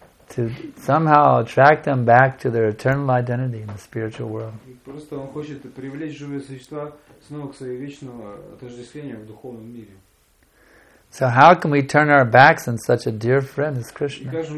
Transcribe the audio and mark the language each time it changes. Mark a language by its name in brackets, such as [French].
[English] To somehow attract them back to their eternal identity in the spiritual world. [Russian] Просто он хочет привлечь живые существа снова к своему вечному отождествлению в духовном мире. [English] So how can we turn our backs on such a dear friend as Krishna?